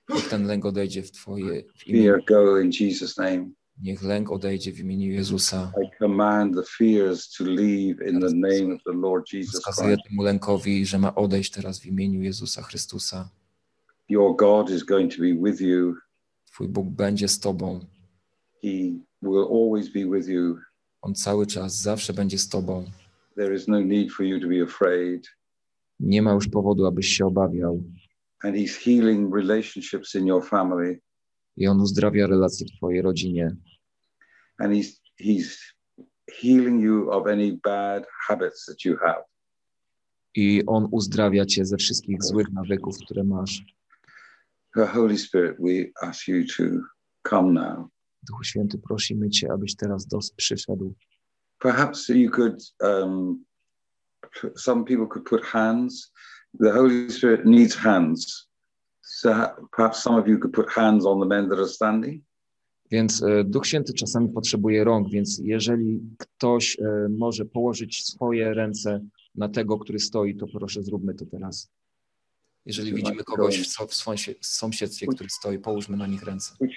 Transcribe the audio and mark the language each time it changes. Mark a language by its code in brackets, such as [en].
[pl] Ten lęk odejdzie w twoje... [en] Fear go in Jesus' name. [pl] Niech lęk odejdzie w imieniu Jezusa. [en] I command the fears to leave in the name of the Lord Jesus Christ. [pl] Wskazuję temu lękowi, że ma odejść teraz w imieniu Jezusa Chrystusa. [en] Your God is going to be with you. [pl] Twój Bóg będzie z tobą. [en] He will always be with you. [pl] On cały czas zawsze będzie z tobą. [en] There is no need for you to be afraid. [pl] Nie ma już powodu, abyś się obawiał. [en] And he's healing relationships in your family. [pl] I on uzdrawia relacje w twojej rodzinie. [en] And he's healing you of any bad habits that you have. [pl] I on uzdrawia cię ze wszystkich złych nawyków, które masz. [en] The Holy Spirit, we ask you to come now. [pl] Duchu Święty, prosimy cię, abyś teraz przyszedł. [en] Perhaps you could some people could put hands. The Holy Spirit needs hands. So perhaps some of you could put hands on the men that are standing. [pl] Więc Duch Święty czasami potrzebuje rąk, więc jeżeli ktoś może położyć swoje ręce na tego, który stoi, to proszę, zróbmy to teraz. Jeżeli widzimy kogoś w sąsiedztwie, który stoi, połóżmy na nich ręce.